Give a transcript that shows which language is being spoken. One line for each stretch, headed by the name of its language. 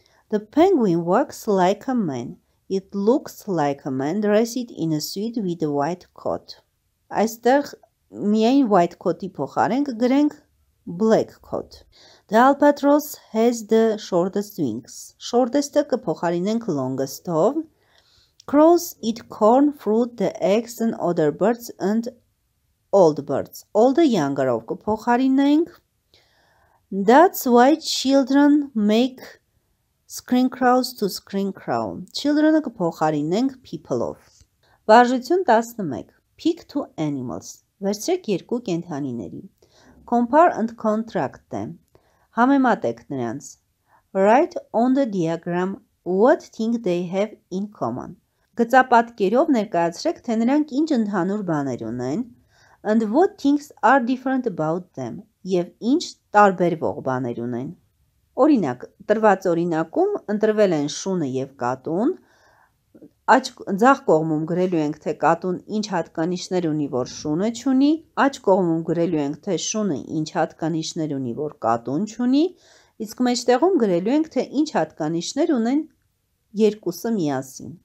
English: The penguin walks like a man. It looks like a man dressed in a suit with a white coat.
Armenian: Այստեղ միայն
English: white coat-
Armenian: ի փոխարեն կգրենք
English: black coat. The albatross has the shortest wings.
Armenian: Շորտեստը կփոխարինենք longest-ով.
English: Crows eat corn, fruit, the eggs and other birds and old birds.
Armenian: Old-ը younger-ով կփոխարինենք.
English: That's why children make screen crows to screen crow.
Armenian: Children-ը կփոխարինենք people-ով. Վարժություն 11.
English: Pick two animals.
Armenian: Վերցրեք երկու կենդանիների.
English: Compare and contrast them.
Armenian: Համեմատեք նրանց.
English: Write on the diagram what thing they have in common.
Armenian: Գծապատկերով ներկայացրեք, թե նրանք ինչ ընդհանուր բաներ ունեն.
English: And what things are different about them.
Armenian: Եվ ինչ տարբերվող բաներ ունեն. Օրինակ, տրված օրինակում ընտրվել են շունը եւ կատուն։ Աջ ձախ կողմում գրելու ենք, թե կատուն ինչ հատկանիշներ ունի, որ շունը չունի, աջ կողմում գրելու ենք, թե շունը ինչ հատկանիշներ ունի, որ կատուն չունի, իսկ մեջտեղում գրելու ենք, թե ինչ հատկանիշներ ունեն երկուսը միասին։